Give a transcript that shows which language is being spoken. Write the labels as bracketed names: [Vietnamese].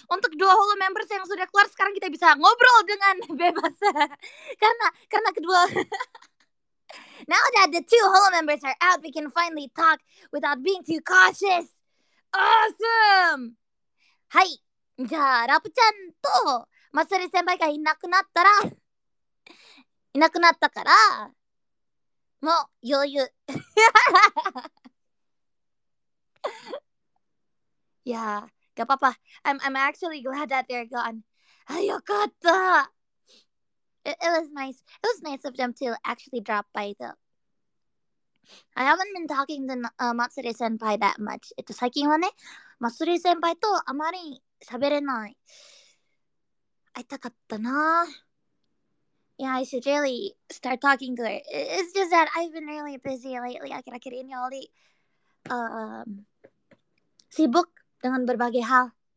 [Indonesian] Untuk dua holo members yang sudah keluar, sekarang kita bisa ngobrol dengan bebas. Karena kedua... [English] Now that the two holo members are out, we can finally talk without being too cautious. Awesome! [Japanese] はい。じゃあ、ラプちゃんとマサリ先輩がいなくなったから、もう余裕。いやー、がパパ、 [English] I'm actually glad that they're gone. [Japanese] あ、よかった。 [English] It was nice of them to actually drop by though. I haven't been talking to Matsuri-senpai that much. [Japanese] 最近はね、Matsuri-senpai とあまり喋れない。会いたかったな。 [English] Yeah, I should really start talking to her. It's just that I've been really busy lately. [Indonesian] Akhir-akhir ini, Oli. Sibuk dengan berbagai hal.